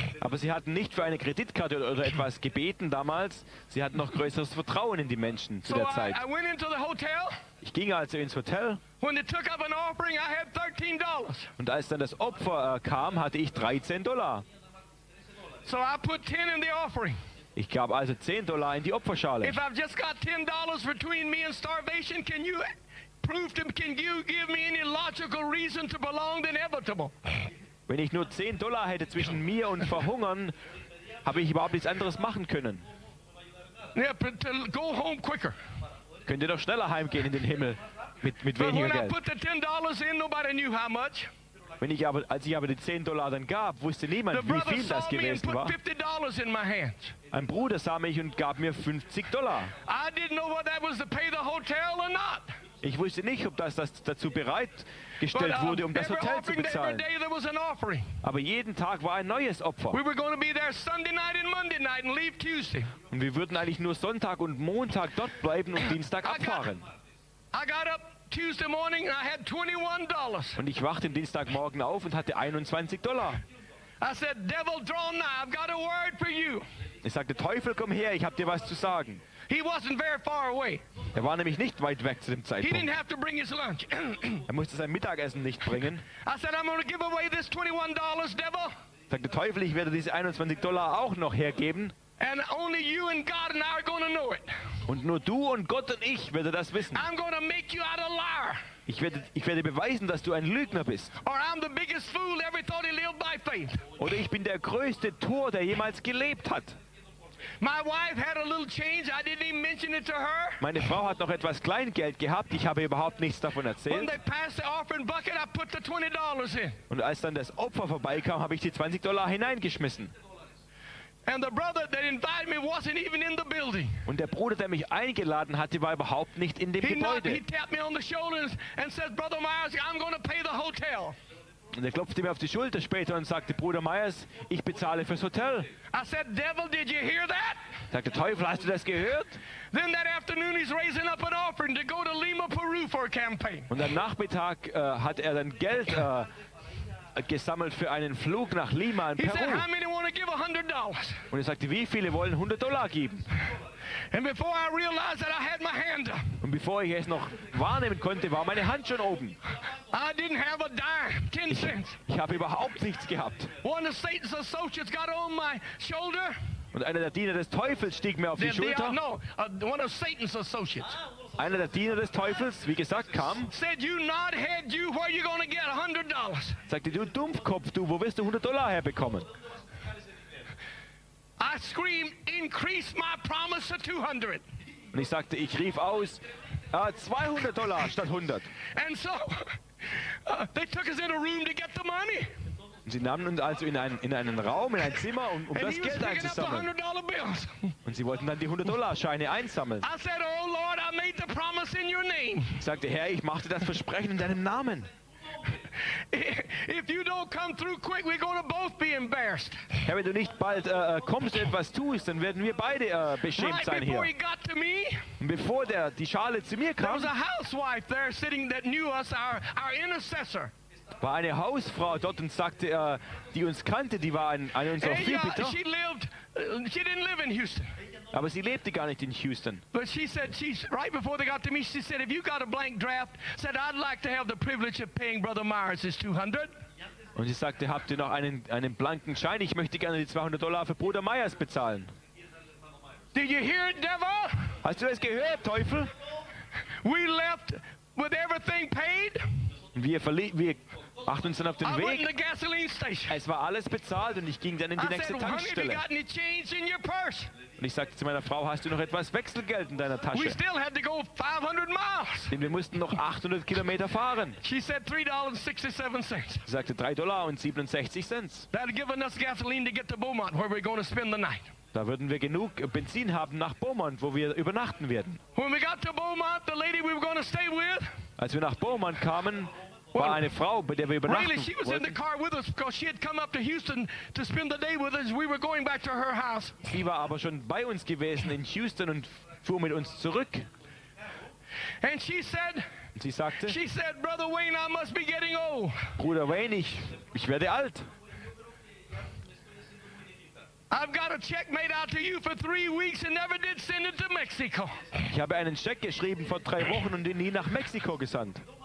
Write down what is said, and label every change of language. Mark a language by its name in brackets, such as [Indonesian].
[German] Aber sie hatten nicht für eine Kreditkarte oder etwas gebeten damals. Sie hatten noch größeres Vertrauen in die Menschen zu der Zeit. [English] So I went into the hotel. [German] Ich ging also ins Hotel. [English] When they took up an offering, I had $13. [German] Und als dann das Opfer kam, hatte ich 13 Dollar. [English] So I put 10 in the offering. [German] Ich gab also 10 Dollar in die Opferschale. [English] If I've just got $10 between me and starvation, can you prove to me, can you give me any logical reason to prolong the inevitable? [German] Wenn ich nur 10 Dollar hätte zwischen mir und Verhungern, habe ich überhaupt nichts anderes machen können. [English] Yeah, but to go home quicker. [German] Könnt ihr doch schneller heimgehen in den Himmel mit weniger [English] when [German] Geld. [English] I put the $10 in, nobody knew how much. [German] Wenn ich aber, als ich aber die 10 Dollar dann gab, wusste niemand, [English] the [German] wie viel das gewesen war. [English] $50 in my hands. [German] Ein Bruder sah mich und gab mir 50 Dollar. [English] I didn't know whether that was to pay the hotel or not. [German] Ich wusste nicht, ob das dazu bereitgestellt wurde, um das Hotel zu bezahlen. Aber jeden Tag war ein neues Opfer. [English] We were going to be there Sunday night and Monday night and leave Tuesday. [German] Und wir würden eigentlich nur Sonntag und Montag dort bleiben und Dienstag abfahren. [English] I got up Tuesday morning and I had $21. [German] Und ich wachte am Dienstagmorgen auf und hatte 21 Dollar. [English] I said, Devil, draw nigh. I've got a word for you. [German] Ich sagte, Teufel, komm her, ich habe dir was zu sagen. [English] He wasn't very far away. [German] Er war nämlich nicht weit weg zu dem Zeitpunkt. [English] He didn't have to bring his lunch. [German] Er musste sein Mittagessen nicht bringen. [English] I said, I'm gonna give away this $21, devil. [German] Sagte Teufel, ich werde diese 21 Dollar auch noch hergeben. [English] And only you and God and I are gonna know it. [German] Und nur du und Gott und ich werde das wissen. [English] I'm gonna make you out a liar. [German] Ich werde beweisen, dass du ein Lügner bist. [English] Or I'm the biggest fool ever thought he lived by faith. [German] Oder ich bin der größte Tor, der jemals gelebt hat. [English] My wife had a little change. I didn't even mention it to her. [German] Meine Frau hat noch etwas Kleingeld gehabt. Ich habe überhaupt nichts davon erzählt. [English] When they passed the offering bucket, I put the $20 in. [German] Und als dann das Opfer vorbeikam, habe ich die $20 hineingeschmissen. [English] And the brother that invited me wasn't even in the building. [German] Und der Bruder, der mich eingeladen hatte, war überhaupt nicht in dem Gebäude. [English] He tapped me on the shoulder and said, Brother Myers, I'm going to pay the hotel. [German] Und er klopfte mir auf die Schulter später und sagte, Bruder Myers, ich bezahle fürs Hotel. [English] I said, Devil, did you hear that? [German] Sagte, Teufel, hast du das gehört? [English] Then that afternoon he's raising up an offering to go to Lima, Peru for a campaign. [German] Und am Nachmittag hat er dann Geld gesammelt für einen Flug nach Lima in Peru. [English] He said, how many want to give $100? [German] Und er sagte, wie viele wollen $100 geben? [English] And before I realized that I had my hand up. [German] Und bevor ich es noch wahrnehmen konnte, war meine Hand schon oben. [English] I didn't have a dime, 10 cents. [German] Ich habe überhaupt nichts gehabt. [English] One of Satan's associates got on my shoulder. [German] Und einer der Diener des Teufels stieg mir auf die Schulter. [English] No, one of Satan's associates. [German] Einer der Diener des Teufels, wie gesagt, kam. [English] Said you not had you, where are you going to get $100? [German] Sagte, du Dumpfkopf, du, wo wirst du $100 herbekommen? [English] I screamed, increase my promise to 200. [German] Und ich sagte, ich rief aus, $200 statt 100. [English] And so, they took us in a room to get the money. [German] Und sie nahmen uns also in einen Raum, in ein Zimmer, um das Geld einzusammeln. Und sie wollten dann die $100-Scheine einsammeln. [English] I said, oh Lord, I made the promise in your name. [German] Ich sagte, Herr, ich machte das Versprechen in deinem Namen. [English] If you don't come through quick, we're going to both be embarrassed. [German] Herr, wenn du nicht bald kommst und etwas tust, dann werden wir beide beschämt sein hier. [English] Right before he got to me, [German] bevor die Schale zu mir kam, [English] there was a housewife there sitting that knew us, our intercessor. [German] War eine Hausfrau dort und sagte, die uns kannte, die war eine unserer Fürbitter. [English] She didn't live in Houston. [German] Aber sie lebte gar nicht in Houston. [English] But she said, right before they got to me, she said, if you got a blank draft, said, I'd like to have the privilege of paying Brother Myers his $200. [German] Und sie sagte, habt ihr noch einen blanken Schein? Ich möchte gerne die $200 für Bruder Myers bezahlen. [English] Did you hear it, devil? [German] Hast du das gehört, Teufel? [English] We left with everything paid. [German] Wir machten uns dann auf den Weg. [English] The gasoline station. [German] Es war alles bezahlt und ich ging dann in die nächste Tankstelle. [English] Said, honey, change in your purse? [German] Und ich sagte zu meiner Frau, hast du noch etwas Wechselgeld in deiner Tasche? [English] We still had to go 500 miles. [German] Denn wir mussten noch 800 Kilometer fahren. [English] She said, $3.67. [German] Sie sagte, $3.67. [English] That'd given us gasoline to get to Beaumont, where we're going to spend the night. [German] Da würden wir genug Benzin haben nach Beaumont, wo wir übernachten werden. [English] When we got to Beaumont, the lady we were going to stay with, [German] als wir nach Beaumont kamen, war eine Frau, bei der wir übernachten [English] really, she was [German] wollten. [English] In the car with us because she had come up to Houston to spend the day with us. We were going back to her house. [German] Sie war aber schon bei uns gewesen in Houston und fuhr mit uns zurück. [English] And she said, [German] sie sagte, [English] she said, Brother Wayne, I must be getting old. [German] Bruder Wayne, ich werde alt. [English] I've got a check made out to you for 3 weeks and never did send it to Mexico. [German] Ich habe einen Scheck geschrieben vor 3 Wochen und ihn nie nach Mexiko gesandt.